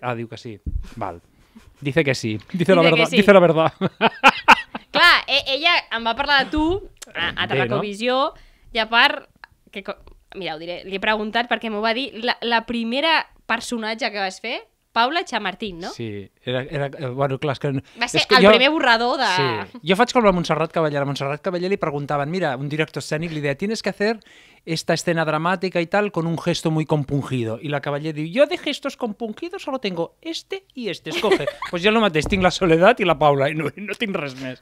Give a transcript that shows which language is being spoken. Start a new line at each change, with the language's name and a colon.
Catalan: Ah, diu que sí. Val.
Spanish: Dice que sí. Dice la verdad. Dice la verdad.
Catalan: Clar, ella em va parlar de tu a Tarracovisió, no? I a part, que, mira, ho diré, li he preguntat perquè m'ho va dir, la primera personatge que vas fer, Paula Chamartín, no? Sí,
Spanish: era bueno,
Catalan: clar, és que... Va ser el primer borrador de... Sí, jo faig com la Montserrat Caballer. A Montserrat Caballer li preguntaven, mira, un director escènic li deia,
Spanish: tienes que hacer esta escena dramática y tal con un gesto muy compungido.
Catalan: I la Caballer diu,
Spanish: yo de gestos compungidos solo tengo este y este, escoge. Pues yo lo
Catalan: mateix, tinc la Soledad i la Paula, i no tinc res més.